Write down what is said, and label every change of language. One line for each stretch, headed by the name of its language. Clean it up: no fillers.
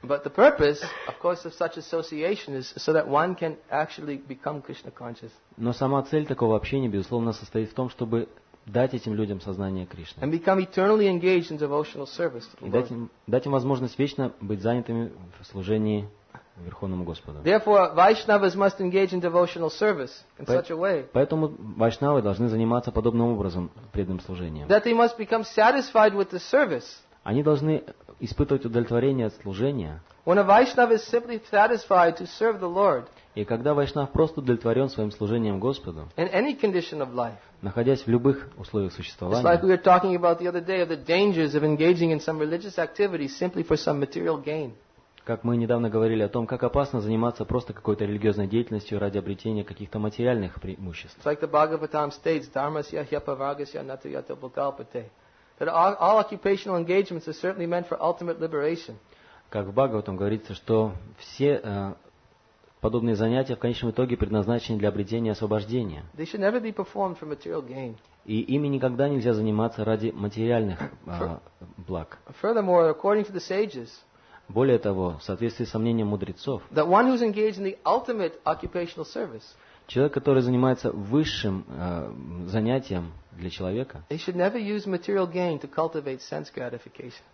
English: But the purpose, of course, of such association is so that one can actually become Krishna conscious.
Russian: Но сама цель такого общения, безусловно, состоит в том, чтобы дать этим людям сознание Кришны.
English: And become eternally engaged in devotional service to the Lord.
Russian: Дать им возможность вечно быть занятыми в служении Верховному Господу.
English: Therefore, Vaishnavas must engage in devotional service in such a way.
Russian: Поэтому Вайшнавы должны заниматься подобным образом преданным служением.
English: That they must become satisfied with the service.
Russian: Они должны испытывать удовлетворение от служения.
English: When a Vaishnava is simply satisfied to serve the Lord.
Russian: И когда Вайшнав просто удовлетворен своим служением Господу,
English: in any condition of life,
Russian: находясь в любых условиях существования,
English: it's like we were talking about the other day of the dangers of engaging in some religious activity simply for some material gain.
Russian: Как мы недавно говорили о том, как опасно заниматься просто какой-то религиозной деятельностью ради обретения каких-то материальных преимуществ.
English: It's like the Bhagavatam states,
Sanskrit: dharmasya hyapavargasya natuyato bhukalpate.
English: That all occupational engagements are certainly meant for ultimate liberation.
Russian: Как в Бхагаватам говорится, что все подобные занятия в конечном итоге предназначены для обретения освобождения.
English: They should never be performed for material gain.
Russian: И ими никогда нельзя заниматься ради материальных благ.
English: Furthermore, according to the sages,
Russian: более того, в соответствии со мнением мудрецов,
English: that one who's engaged in the ultimate occupational service,
Russian: человек, который занимается высшим занятием для человека,
English: he should never use material gain to cultivate sense gratification.